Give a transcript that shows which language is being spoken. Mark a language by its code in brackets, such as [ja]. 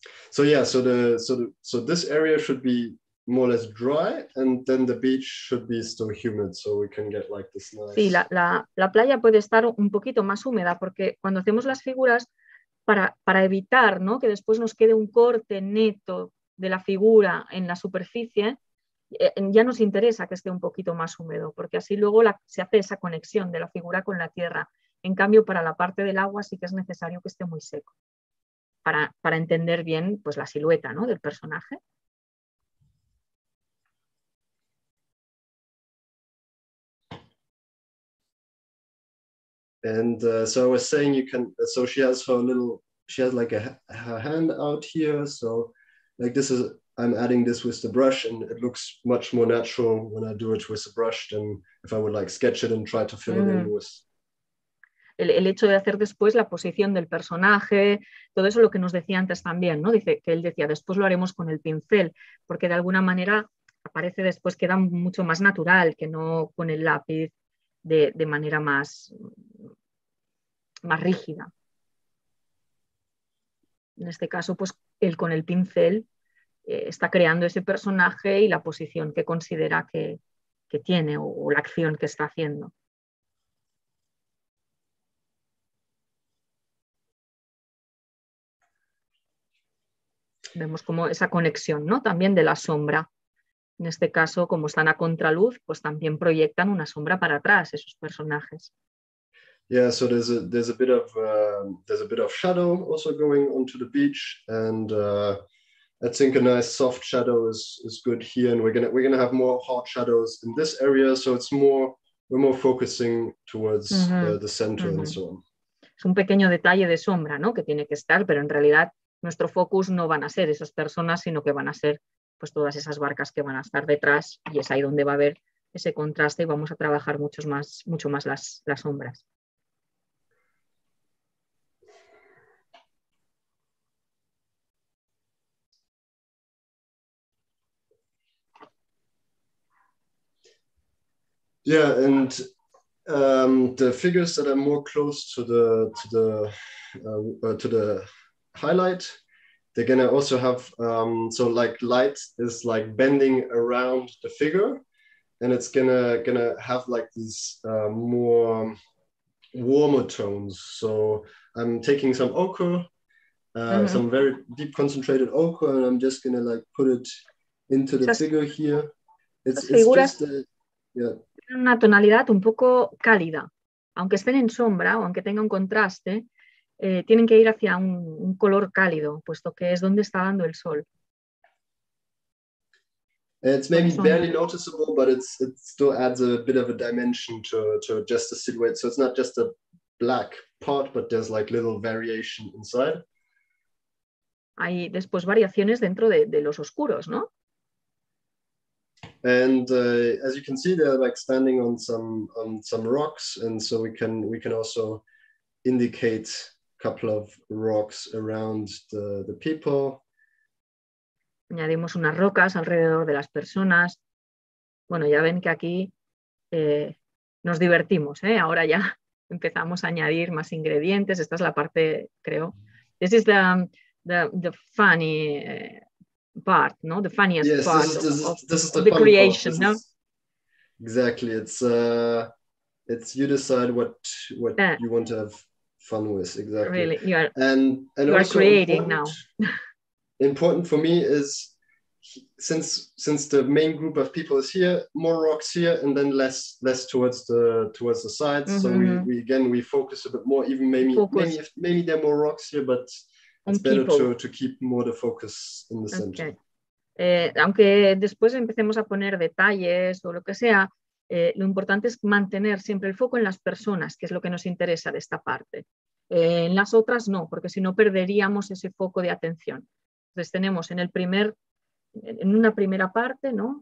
[en] So yeah, so this area should be more or less dry, and then the beach should be still humid, so we can get like this nice. [es] Sí, la playa puede estar un poquito más húmeda, porque cuando hacemos las figuras para evitar, ¿no? Que después nos quede un corte neto de la figura en la superficie, ya nos interesa que esté un poquito más húmedo, porque así luego se hace esa conexión de la figura con la tierra. En cambio, para la parte del agua sí que es necesario que esté muy seco para entender bien pues, la silueta, ¿no?, del personaje. [en] And so I was saying you can, so she has her little, she has like her hand out here, so like this is, I'm adding this with the brush and it looks much more natural when I do it with a brush than if I would like sketch it and try to fill it in with. [es] El hecho de hacer después la posición del personaje, todo eso lo que nos decía antes también, ¿no? Dice que él decía, después lo haremos con el pincel, porque de alguna manera aparece después, queda mucho más natural que no con el lápiz de manera más rígida. En este caso, pues él con el pincel está creando ese personaje y la posición que considera que tiene o la acción que está haciendo. Vemos como esa conexión, ¿no?, también de la sombra. En este caso, como están a contraluz, pues también proyectan una sombra para atrás esos personajes. [en] Yeah, so there's a bit of shadow also going onto the beach, and I think a nice soft shadow is good here, and we're gonna have more hard shadows in this area, so we're more focusing towards the center and so on. [es] Es un pequeño detalle de sombra, ¿no?, que tiene que estar, pero en realidad nuestro focus no van a ser esas personas, sino que van a ser pues todas esas barcas que van a estar detrás, y es ahí donde va a haber ese contraste y vamos a trabajar mucho más las sombras. [en] Yeah, and the figures that are more close to the highlight, they're gonna also have so like light is like bending around the figure, and it's gonna have like these more warmer tones. So I'm taking some ochre, some very deep concentrated ochre, and I'm just gonna like put it into the figure here. It's just [es] una tonalidad un poco cálida, aunque estén en sombra o aunque tenga un contraste, tienen que ir hacia un color cálido, puesto que es donde está dando el sol. [en] It's maybe barely noticeable, but it still adds a bit of a dimension to just the silhouette. So it's not just a black part, but there's like little variation inside. [es] Hay después variaciones dentro de los oscuros, ¿no? [en] And as you can see, they're like standing on some rocks, and so we can also indicate a couple of rocks around the people. [es] Añadimos unas rocas alrededor de las personas. Bueno, ya ven que aquí nos divertimos, ¿eh? Ahora ya empezamos a añadir más ingredientes. Esta es la parte, creo. [en] This is the funny. Part, no, the funniest yes, part this is the fun creation, part. No, exactly. It's you decide what you want to have fun with, exactly. Really, you are, and you are creating now. Important for me is since the main group of people is here, more rocks here, and then less towards the sides. Mm-hmm. So we focus a bit more, even maybe there are more rocks here, but It's better to keep more the focus in the center. Okay. [es] Aunque después empecemos a poner detalles o lo que sea, lo importante es mantener siempre el foco en las personas, que es lo que nos interesa de esta parte. En las otras no, porque si no perderíamos ese foco de atención. Entonces tenemos en una primera parte, ¿no?